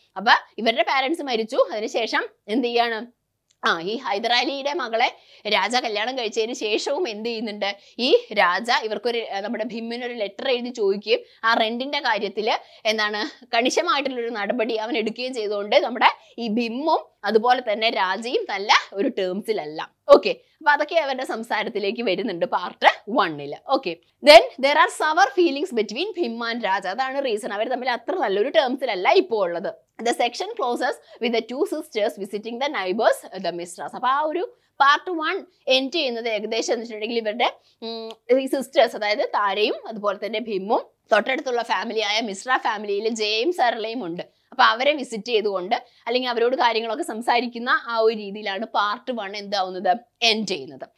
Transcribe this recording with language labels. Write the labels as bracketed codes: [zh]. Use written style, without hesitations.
[ml] അപ്പൊ ഇവരുടെ പാരൻസ് മരിച്ചു, അതിനുശേഷം എന്ത് ചെയ്യാണ്, ആ ഈ ഹൈദർ അലിയുടെ മകളെ രാജ കല്യാണം കഴിച്ചതിന് ശേഷവും എന്ത് ചെയ്യുന്നുണ്ട്, ഈ രാജ ഇവർക്കൊരു നമ്മുടെ ഭീമിനൊരു ലെറ്റർ എഴുതി ചോദിക്കുകയും ആ റെന്റിന്റെ കാര്യത്തിൽ എന്താണ് കണിശമായിട്ടുള്ളൊരു നടപടി അവൻ എടുക്കുകയും ചെയ്തുകൊണ്ട് നമ്മുടെ ഈ ഭീമും അതുപോലെ തന്നെ രാജയും നല്ല ഒരു ടേംസിലല്ല. ഓക്കെ, അപ്പൊ അതൊക്കെ അവരുടെ സംസാരത്തിലേക്ക് വരുന്നുണ്ട് പാർട്ട് വണ്ണിൽ. [en] okay, then there are sour feelings between Bheem and Raja, [ml] അതാണ് റീസൺ അവർ തമ്മിൽ അത്ര നല്ലൊരു ടേംസിലല്ല ഇപ്പോൾ ഉള്ളത്. [en] The section closes with the two sisters visiting the neighbors, the Mishras. [ml] അപ്പോൾ ആ ഒരു പാർട്ട് വൺ എൻഡ് ചെയ്യുന്നത് ഏകദേശം എന്നിട്ടുണ്ടെങ്കിൽ ഇവരുടെ ഈ സിസ്റ്റേഴ്സ് അതായത് താരയും അതുപോലെ തന്നെ ഭീമും തൊട്ടടുത്തുള്ള ഫാമിലി ആയ മിശ്ര ഫാമിലിയിൽ ജയയും സരളയും ഉണ്ട്. അപ്പൊ അവരെ വിസിറ്റ് ചെയ്തുകൊണ്ട് അല്ലെങ്കിൽ അവരോട് കാര്യങ്ങളൊക്കെ സംസാരിക്കുന്ന ആ ഒരു രീതിയിലാണ് പാർട്ട് വൺ എന്താവുന്നത്, എൻഡ് ചെയ്യുന്നത്.